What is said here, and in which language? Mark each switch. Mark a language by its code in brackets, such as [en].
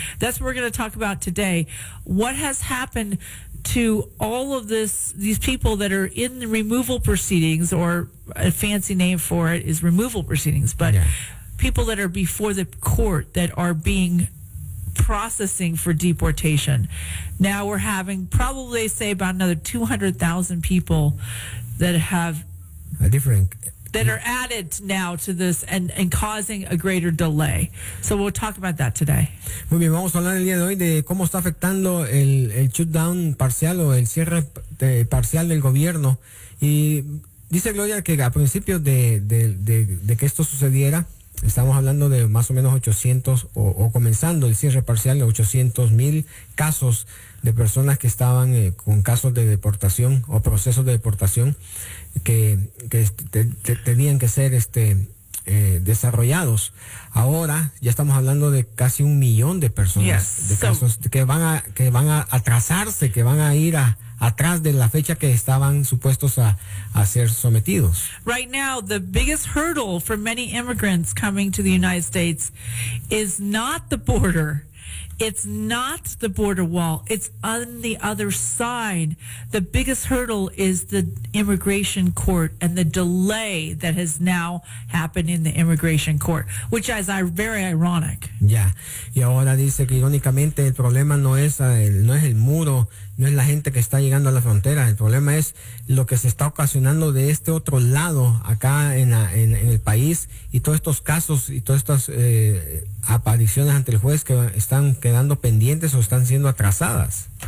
[en] That's what we're going to talk about today. What has happened to all of these people that are in the removal proceedings, or a fancy name for it is removal proceedings, but yeah, people that are before the court that are being processing for deportation. Now we're having probably, say, about another 200,000 people that have... That are added now to this and causing a greater delay. So we'll talk about that today. [es] Muy bien, vamos a hablar el día de hoy de cómo está afectando el shutdown parcial o el cierre parcial del gobierno. Y dice Gloria que a principios de que esto sucediera, estamos hablando de más o menos 800 o comenzando el cierre parcial de 800,000 casos de personas que estaban con casos de deportación o procesos de deportación que tenían que ser desarrollados. Ahora ya estamos hablando de casi 1 millón de personas. [en] Yes. [es] De casos que van a atrasarse, que van a ir atrás de la fecha que estaban supuestos a ser sometidos. [en] Right now, the biggest hurdle for many immigrants coming to the United States is not the border. It's not the border wall. It's on the other side. The biggest hurdle is the immigration court and the delay that has now happened in the immigration court, which is very ironic. Yeah. [es] Y ahora dice que irónicamente el problema no es el muro, no es la gente que está llegando a la frontera. El problema es lo que se está ocasionando de este otro lado acá en el país y todos estos casos y todas estas apariciones ante el juez que están quedando pendientes o están siendo atrasadas.